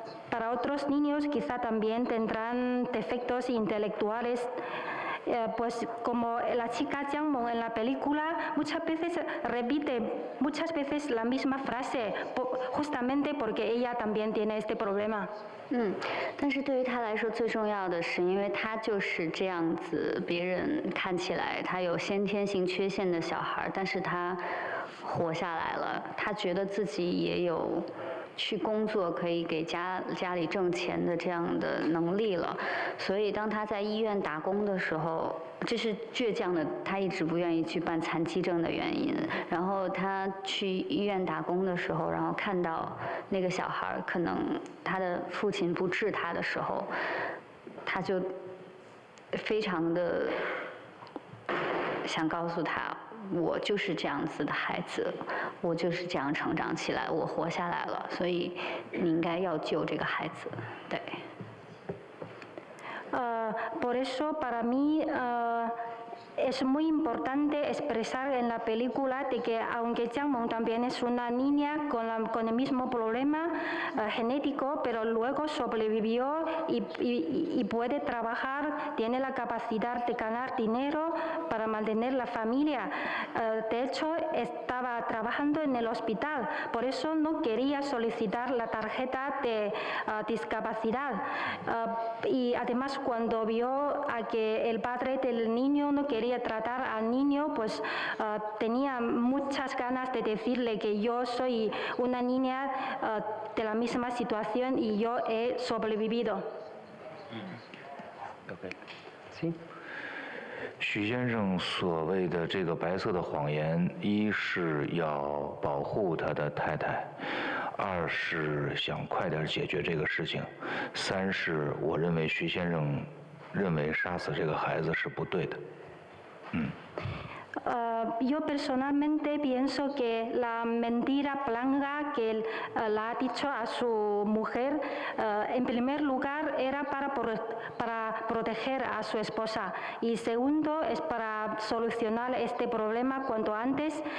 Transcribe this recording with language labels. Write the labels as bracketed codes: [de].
[es] Para otros niños quizá también tendrán defectos intelectuales. Pues como la chica Jiang Meng en la película muchas veces repite muchas veces la misma frase, justamente porque ella también tiene este problema. [zh] 但是对于他来说最重要的是，因为他就是这样子，别人看起来他有先天性缺陷的小孩，但是他活下来了，他觉得自己也有去工作可以给家里挣钱的这样的能力了，所以当他在医院打工的时候，这是倔强的他一直不愿意去办残疾证的原因。然后他去医院打工的时候，然后看到那个小孩可能他的父亲不治他的时候，他就非常的想告诉他，我就是这样子的孩子，我就是这样成长起来，我活下来了，所以你应该要救这个孩子。对。 [es] Por eso para mí es muy importante expresar en la película de que aunque Jiang Meng también es una niña con el mismo problema genético, pero luego sobrevivió y puede trabajar, tiene la capacidad de ganar dinero para mantener la familia. De hecho, estaba trabajando en el hospital, por eso no quería solicitar la tarjeta de discapacidad. Y además, cuando vio a que el padre del niño no queríaTratar al niño, pues tenía muchas ganas de decirle que yo soy una niña de la misma situación y yo he sobrevivido. Okay. Sí. [zh] 许先生所谓的这个白色的谎言，一是要保护他的太太，二是想快点解决这个事情，三是我认为许先生认为杀死这个孩子是不对的。 [es] Yo personalmente pienso que la mentira blanca que él la ha dicho a su mujer, en primer lugar, era para proteger a su esposa. Y segundo, es para solucionar este problema cuanto antes.